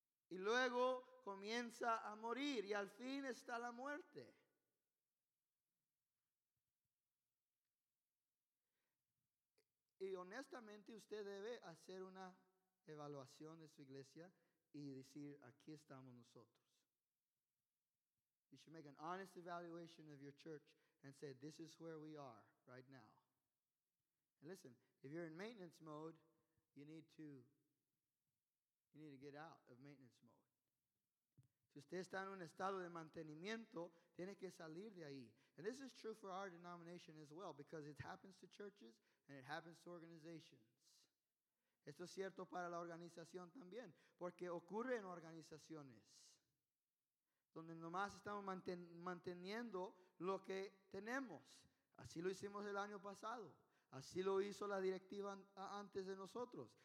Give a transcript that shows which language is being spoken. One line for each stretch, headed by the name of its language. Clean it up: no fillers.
Spanish: Y luego comienza a morir. Y al fin está la muerte. Y honestamente usted debe hacer una evaluación de su iglesia y decir, aquí estamos nosotros.
English: You should make an honest evaluation of your church and say, this is where we are right now. And listen, if you're in maintenance mode, you need to get out of maintenance mode.
Spanish: Si usted está en un estado de mantenimiento, tiene que salir de ahí.
English: And this is true for our denomination as well, because it happens to churches and it happens to organizations.
Spanish: Esto es cierto para la organización también, porque ocurre en organizaciones donde nomás estamos manteniendo lo que tenemos. Así lo hicimos el año pasado. Así lo hizo la directiva antes de nosotros.